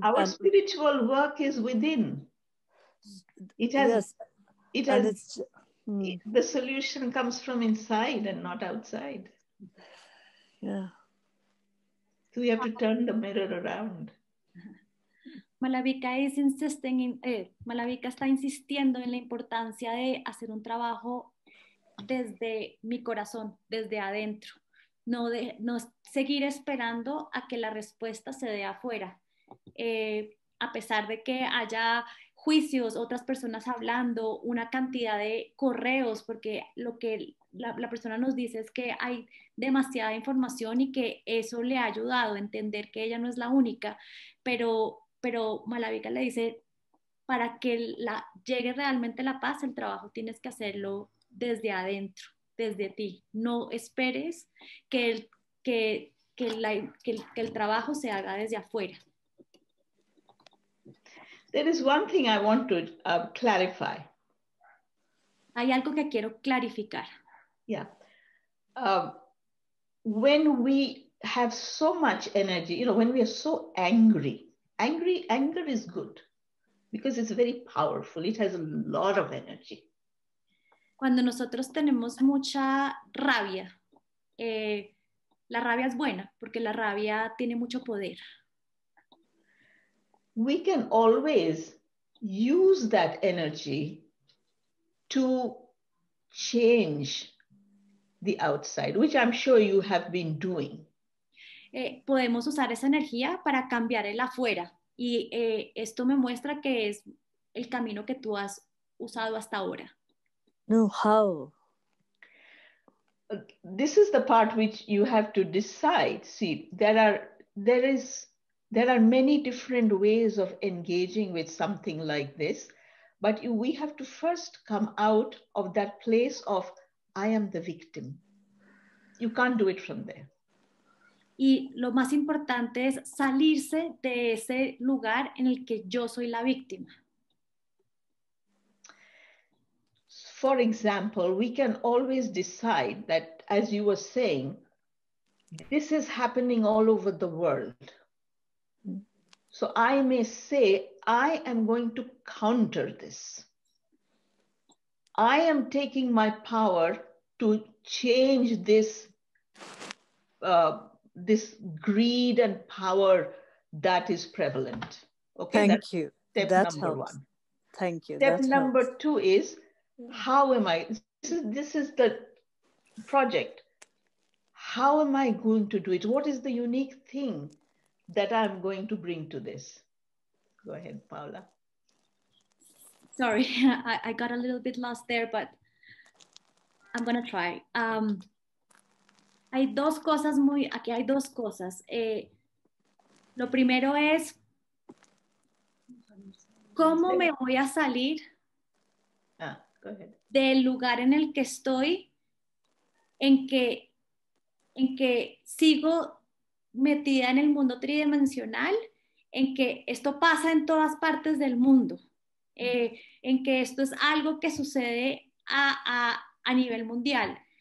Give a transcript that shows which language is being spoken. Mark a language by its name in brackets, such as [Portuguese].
[English] our spiritual work is within. It has. Yes. It has. The solution comes from inside and not outside. Yeah. So we have to turn the mirror around. Malabika is insisting. [Spanish] Malabika está insistiendo en la importancia de hacer un trabajo desde mi corazón, desde adentro. No seguir esperando a que la respuesta se dé afuera. A pesar de que haya juicios, otras personas hablando, una cantidad de correos, porque lo que la persona nos dice es que hay demasiada información y que eso le ha ayudado a entender que ella no es la única. Pero Malabika le dice, para que llegue realmente la paz, el trabajo tienes que hacerlo desde adentro. Desde ti, no esperes que el trabajo se haga desde afuera. [English] There is one thing I want to clarify. [Spanish] Hay algo que quiero clarificar. [English] Yeah. When we have so much energy, you know, when we are so angry, anger is good because it's very powerful. It has a lot of energy. [Spanish] Cuando nosotros tenemos mucha rabia, la rabia es buena porque la rabia tiene mucho poder. [English] We can always use that energy to change the outside, which I'm sure you have been doing. [Spanish] Podemos usar esa energía para cambiar el afuera y esto me muestra que es el camino que tú has usado hasta ahora. [English] No, how? This is the part which you have to decide. See, there are many different ways of engaging with something like this, but we have to first come out of that place of I am the victim. You can't do it from there. [Spanish] Y lo más importante es salirse de ese lugar en el que yo soy la víctima. [English] For example, we can always decide that, as you were saying, this is happening all over the world. So I may say, I am going to counter this. I am taking my power to change this, this greed and power that is prevalent. Okay, thank you. Step number one. Thank you. Step That's number nice. Two is, how am I, this is the project. How am I going to do it? What is the unique thing that I'm going to bring to this? Go ahead, Paula. Sorry, I got a little bit lost there, but I'm gonna try. [Spanish] Hay dos cosas muy, aquí hay dos cosas. Lo primero es, ¿cómo me voy a salir del lugar en el que estoy, en que sigo metida en el mundo tridimensional, en que esto pasa en todas partes del mundo, en que esto es algo que sucede a nivel mundial?